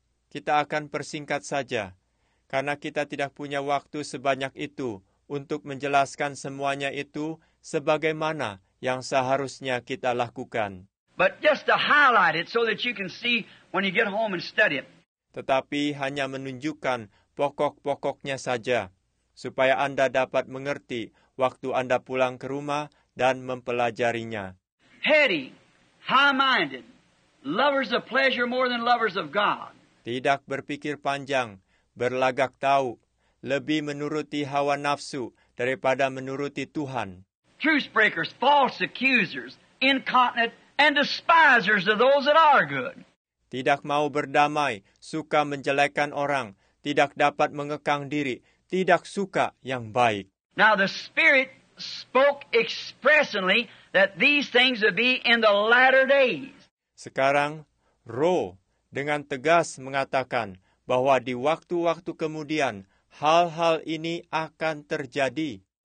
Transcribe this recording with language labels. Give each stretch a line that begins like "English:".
Indonesian: Kita akan persingkat saja, karena kita tidak punya waktu sebanyak itu untuk menjelaskan semuanya itu sebagaimana yang seharusnya kita lakukan.
English: But just to highlight it so that you can see when you get home and study it.
Indonesian: Tetapi hanya menunjukkan pokok-pokoknya saja, supaya Anda dapat mengerti waktu Anda pulang ke rumah dan mempelajarinya.
English: Heady, high-minded, lovers of pleasure more than lovers of God.
Indonesian: Tidak berpikir panjang, berlagak tahu, lebih menuruti hawa nafsu daripada menuruti Tuhan.
English: Truth breakers, false accusers, incontinent, and despisers of those that are good.
Indonesian: Tidak mau berdamai, suka menjelekkan orang, tidak dapat mengekang diri, tidak suka yang baik.
English: Now the Spirit spoke expressly that these things would be in the latter days.
Indonesian: Sekarang, Roh dengan tegas mengatakan bahwa di waktu-waktu kemudian, hal-hal ini akan terjadi.